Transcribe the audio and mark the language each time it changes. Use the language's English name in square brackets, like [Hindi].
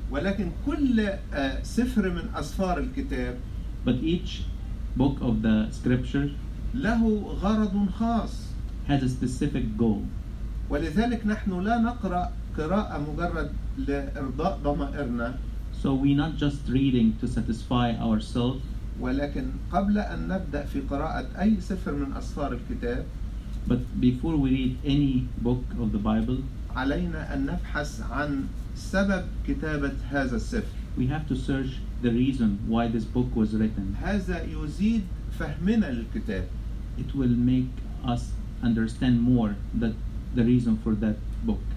[Arabic] ولكن كل سفر من أسفار الكتاب. [English] But each book of the scripture. [Arabic] له غرض خاص. [English] Has a specific goal. [Arabic] ولذلك نحن لا نقرأ قراءة مجرد لإرضاء ضمائرنا. [English] So we not just reading to satisfy ourselves. [Arabic] ولكن قبل أن نبدأ في قراءة أي سفر من أسفار الكتاب. [English] But before we read any book of the Bible. [Arabic] علينا أن نبحث عن سبب كتابة هذا السفر. [English] We have to search the reason why this book was written. [Arabic] هذا يزيد فهمنا للكتاب. [English] It will make us understand more that the reason for that book.